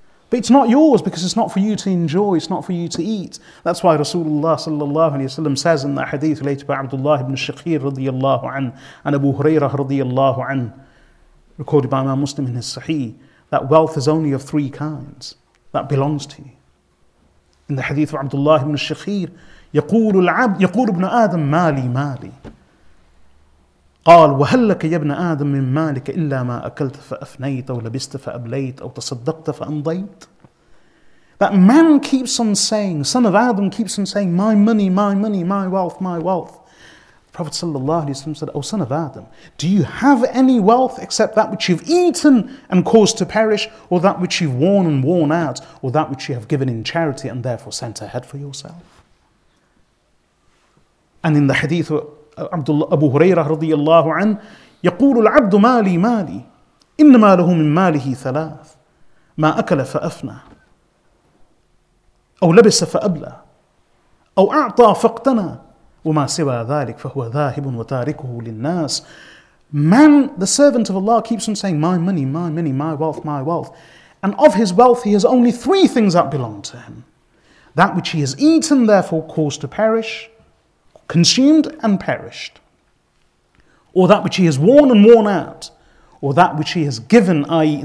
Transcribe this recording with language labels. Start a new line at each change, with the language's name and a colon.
English: But it's not yours because it's not for you to enjoy, it's not for you to eat. That's why Rasulullah sallallahu alayhi wa sallam says in that hadith related by Abdullah ibn Shakir radiyallahu an and Abu Hurairah radiyallahu an, recorded by Imam Muslim in his Sahih, that wealth is only of three kinds that belongs to you. In the hadith of Abdullah ibn Shakir,
Arabic: يقول ابن آدم مالي مالي قال وهل لك يا ابن آدم من مالك إلا ما أكلت فأفنيت أو لبست فأبليت أو تصدقت فأمضيت.
English: That man keeps on saying, son of Adam keeps on saying, my money, my money, my wealth, my wealth. Prophet sallallahu alaihi wasallam said, O son of Adam, do you have any wealth except that which you've eaten and caused to perish, or that which you've worn and worn out, or that which you have given in charity and therefore sent ahead for yourself? And in the hadith of Abu Hurairah radiyallahu an,
Arabic: يقول العبد مالي مالي إنما له من ماله ثلاث ما أكل فأفنى أو لبس فأبلى أو أعطى فاقتنى وما سوى ذلك فهو ذاهب وتاركه للناس.
English: Man, the servant of Allah, keeps on saying, my money, my money, my wealth, my wealth. And of his wealth, he has only three things that belong to him. That which he has eaten, therefore caused to perish, consumed and perished, or that which he has worn and worn out, or that which he has given, i.e.